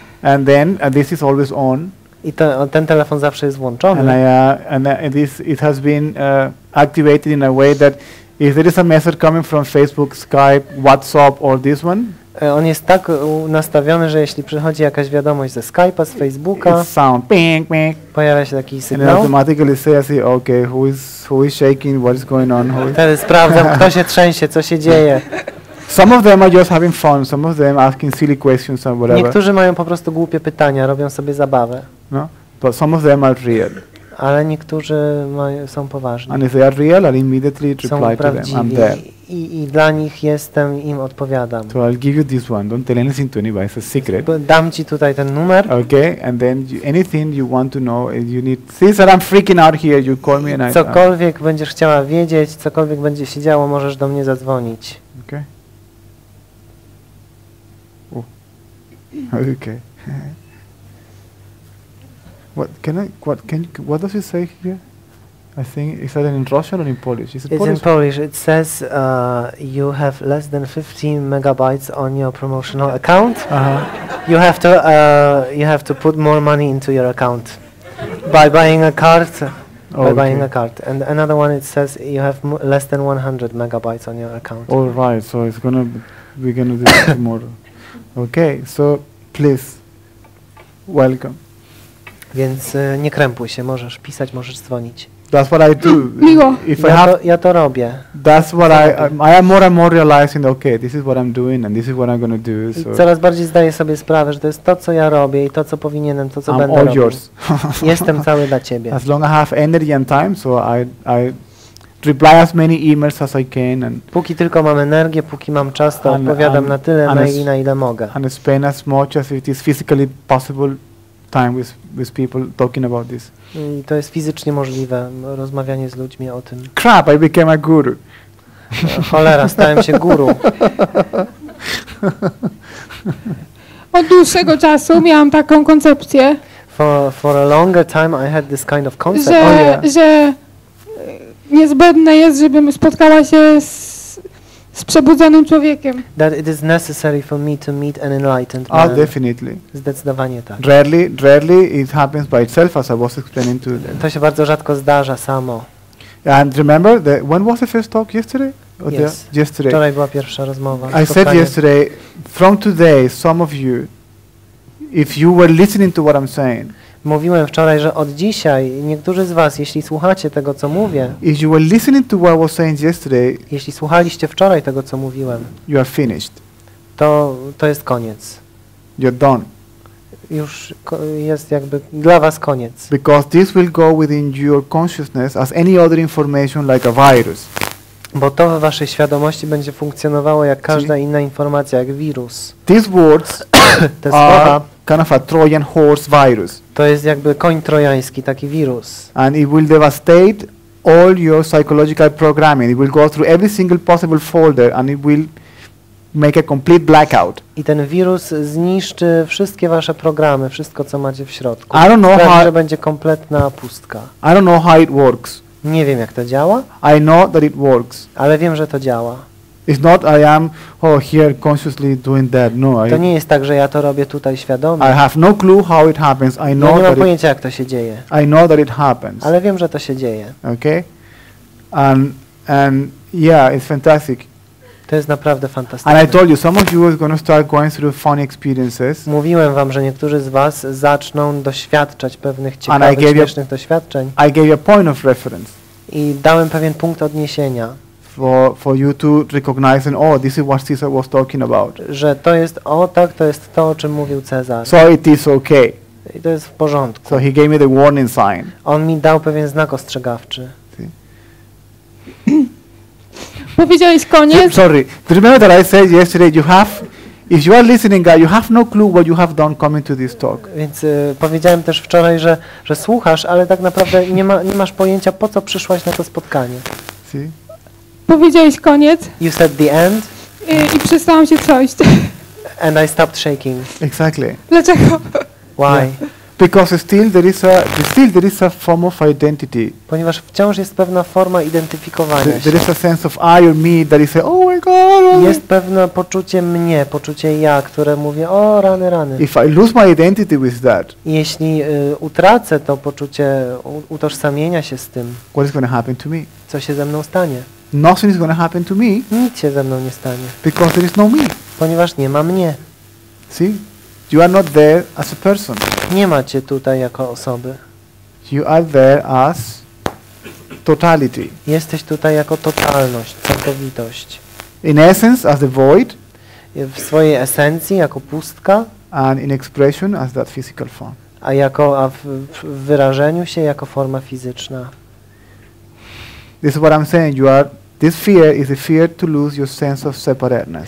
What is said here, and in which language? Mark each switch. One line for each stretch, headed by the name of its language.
English: And then this is always on.
Polish: I ten telefon zawsze jest włączony.
English: It has been activated in a way that if there is a message coming from Facebook, Skype, WhatsApp or this one.
Polish: On jest tak nastawiony, że jeśli przychodzi jakaś wiadomość ze Skype'a, z Facebooka,
English: sound. Bing, bing.
Polish: Pojawia się taki sygnał.
English: And automatically say, okay, who is shaking, what is going on?
Polish: Wtedy sprawdzam, kto się trzęsie, co się dzieje.
English: Some of them are just having fun, some of them asking silly questions or whatever.
Polish: Niektórzy mają po prostu głupie pytania, robią sobie zabawę.
English: No, but some of them are real.
Polish: Ale niektórzy są poważni.
English: And if they are real, I'll immediately reply to them. I'm there.
Polish: I dla nich jestem, im odpowiadam.
English: So I'll give you this one. Don't tell anything to anybody. It's a secret.
Polish: Dam ci tutaj ten numer.
English: Okay, and then anything you want to know, you need. Since that I'm freaking out here, you call me and I.
Polish: Cokolwiek będziesz chciała wiedzieć, cokolwiek będzie się działo, możesz do mnie zadzwonić.
English: Okay. Okay. What does it say here? I think, is that in Russian or in Polish? It's in Polish. It says you have less than 15 megabytes on your promotional account. Uh-huh. You have to put more money into your account by buying a card. And another one, it says you have less than 100 megabytes on your account. All right, so we're going to do this tomorrow. Okay, so please, welcome.
Polish: Więc nie krępuj się, możesz pisać, możesz dzwonić.
English: That's what I do.
Polish: Miło. Ja to robię.
English: That's what I am more and more realizing, okay, this is what I'm doing and this is what I'm going to do. So.
Polish: Coraz bardziej zdaję sobie sprawę, że to jest to, co ja robię i to, co powinienem, to, co
English: I'm
Polish: będę
English: all
Polish: robił.
English: All yours.
Polish: Jestem cały dla ciebie.
English: As long as I have energy and time, so I reply as many emails as I can. And
Polish: póki tylko mam energię, póki mam czas, to odpowiadam na tyle maili, na ile mogę.
English: And spend as much as it is physically possible time with people talking about this.
Polish: I to jest fizycznie możliwe, rozmawianie z ludźmi o tym.
English: Crap, I became a guru.
Polish: Cholera, stałem się guru. Od dłuższego czasu miałam taką koncepcję.
English: for a longer time I had this kind of concept.
Polish: Że, że niezbędne jest, żebym spotkała się z przebudzonym człowiekiem.
English: That it is necessary for me to meet an enlightened man. Oh, definitely.
Polish: Zdecydowanie tak.
English: Rarely it happens by itself, as I was explaining to.
Polish: To się bardzo rzadko zdarza samo.
English: And remember that when was the first talk yesterday? Yes. Yesterday.
Polish: Wczoraj była pierwsza rozmowa.
English: I said yesterday, from today, some of you, if you were listening to what I'm saying.
Polish: Mówiłem wczoraj, że od dzisiaj niektórzy z was, jeśli słuchacie tego, co mówię.
English: If you were listening to what I was saying yesterday.
Polish: Jeśli słuchaliście wczoraj tego, co mówiłem.
English: You are finished.
Polish: To jest koniec.
English: You're done.
Polish: Już jest jakby dla was koniec.
English: Because this will go within your consciousness as any other information like a virus.
Polish: Bo to w waszej świadomości będzie funkcjonowało jak każda inna informacja, jak wirus.
English: These words
Polish: te słowa,
English: are kind of a Trojan horse virus.
Polish: To jest jakby koń trojański, taki wirus.
English: And it will devastate all your psychological programming. It will go through every single possible folder and it will make a complete blackout.
Polish: I ten wirus zniszczy wszystkie wasze programy, wszystko co macie w środku.
English: I don't know
Polish: sprawi, że będzie kompletna pustka.
English: I don't know how it works.
Polish: Nie wiem jak to działa.
English: I know that it works.
Polish: Ale wiem, że to działa.
English: It's not I am oh here consciously doing that. No,
Polish: to nie jest tak, że ja to robię tutaj świadomie.
English: I have no clue how it happens. I know
Polish: ja nie mam pojęcia jak to się dzieje.
English: I know that it happens.
Polish: Ale wiem, że to się dzieje.
English: Okay? And yeah, it's fantastic.
Polish: To jest naprawdę fantastyczne.
English: And I told you some of you are going to start going through funny experiences.
Polish: Mówiłem wam, że niektórzy z was zaczną doświadczać pewnych ciekawych, śmiesznych doświadczeń.
English: I gave you a point of reference.
Polish: I dałem pewien punkt odniesienia.
English: For you to recognize and oh this is what Caesar was talking about.
Polish: Że to jest o tak, to jest to, o czym mówił Cezar.
English: So it is okay.
Polish: I to jest w porządku.
English: So he gave me the warning sign.
Polish: On mi dał pewien znak ostrzegawczy. Powiedziałeś koniec?
English: Sorry. Do you remember that I said yesterday you have, if you are listening, guy, you have no clue what you have done coming to this talk.
Polish: Więc powiedziałem też wczoraj, że słuchasz, ale tak naprawdę nie masz pojęcia, po co przyszłaś na to spotkanie.
English: See?
Polish: Powiedziałeś koniec?
English: You said the end.
Polish: I przestałam się trząść.
English: And I stopped shaking. Exactly.
Polish: Dlaczego?
English: Why? Yeah. Because still there is a form of identity.
Polish: Ponieważ wciąż jest pewna forma identyfikowania się.
English: There is a sense of I or me that is oh my God.
Polish: Jest pewne poczucie mnie, poczucie ja, które mówię o rany, rany.
English: If I lose my identity with that.
Polish: Jeśli utracę to poczucie utożsamienia się z tym.
English: What is going to happen to me?
Polish: Co się ze mną stanie?
English: Nothing is going to happen to me.
Polish: Nic się ze mną nie stanie.
English: Because there is no me.
Polish: Ponieważ nie ma mnie.
English: See? You are not there as a person.
Polish: Nie ma cię tutaj jako osoby.
English: You are there as totality.
Polish: Jesteś tutaj jako totalność, całkowitość.
English: In essence as the void.
Polish: W swojej esencji jako pustka.
English: And in expression as that physical form.
Polish: A w wyrażeniu się jako forma fizyczna.
English: This is what I'm saying. You are. This fear is a fear to lose your sense of separateness.